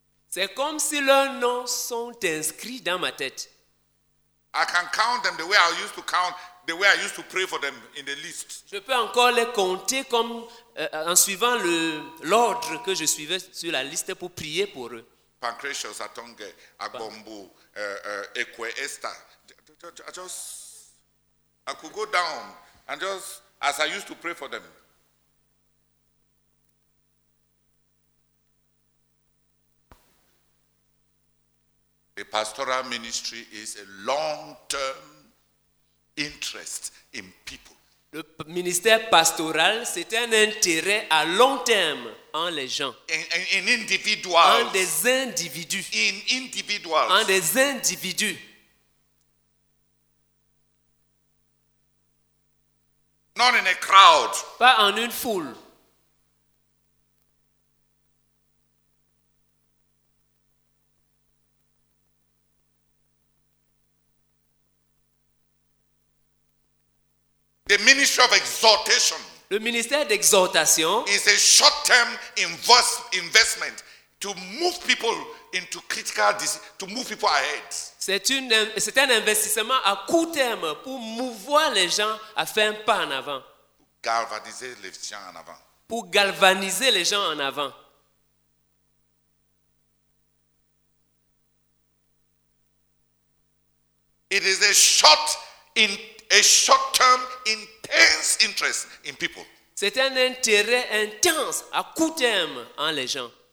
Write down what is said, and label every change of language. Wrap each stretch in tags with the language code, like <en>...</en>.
<fr>C'est comme si leurs noms sont inscrits dans ma tête.</fr> <en>I can count them the way I used to count, the way I used to pray for them in the list.</en> <fr>Je peux encore les compter comme en suivant l'ordre que je suivais sur la liste pour prier pour eux. Pancratius, Atonge, Agbombo, Ekwe, Esther.</fr> <en>I could go down and just as I used to pray for them. The pastoral ministry is a long-term interest in people.</en> <fr>Le ministère pastoral, c'est un intérêt à long terme en les gens.</fr> <en>In individuals.</en> <fr>En des individus.</fr> <en>In individuals.</en> <fr>En des individus.</fr> <en>Not in a crowd.</en> <fr>Pas en une foule.</fr> <en>The ministry of exhortation.</en> <fr>Le ministère d'exhortation</fr> <en>is a short-term investment to move people into critical to move people ahead.</en> <fr>C'est un investissement à court terme pour mouvoir les gens à faire un pas en avant. Galvaniser les gens en avant. Pour galvaniser les gens en avant.</fr> <en>It is a short-term intense interest in people.</en> <fr>C'est un intérêt intense à court terme en les gens.</fr>